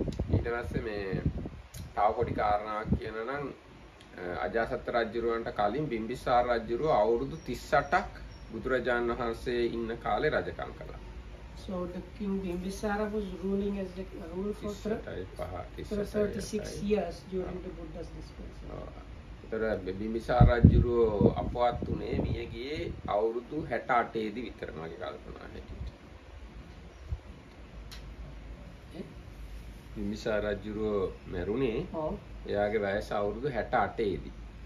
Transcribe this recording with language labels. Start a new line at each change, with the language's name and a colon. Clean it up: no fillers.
Sinhala: ඊට පස්සේ මේ තව පොඩි කාරණාවක් කියනනම් අජාසත් රජුරවන්ට කලින් බිම්බිසාර රජුරෝ අවුරුදු 38ක් බුදුරජාන් වහන්සේ ඉන්න කාලේ රජකම් කළා.
English: So the king Bimbisara was ruling as the ruler for 36 years during the Buddha's dispensation.
Sinhala: ඒතර බිම්බිසාර රජුරෝ අපවත් උනේ මියගියේ අවුරුදු 68 දී විතර මගේ කල්පනා හැටියට. බිම්බිසාර රජුරෝ මැරුණේ එයාගේ වයස අවුරුදු 68 දී.